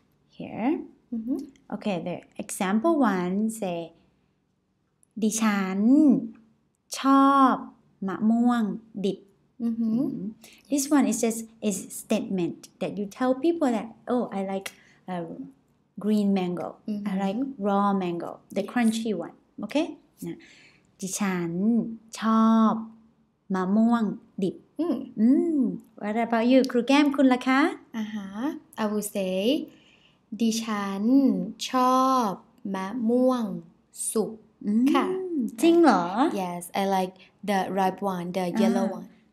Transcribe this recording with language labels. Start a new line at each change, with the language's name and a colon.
English: Here. Okay. The example one say,
Thai: ดิฉันชอบมะม่วงดิบ
English: This one is just a statement that you tell people that, oh, I like... Green mango, I like raw mango, the crunchy one. Okay,
Thai: ดิฉันชอบมะม่วงดิบ
English: What about you,
Thai: ครูแก้มคุณล่ะคะ
English: I would say,
Thai: ดิฉันชอบมะม่วงสุกค่ะ จริงเหรอ
English: Yes, I like the ripe one, the yellow one.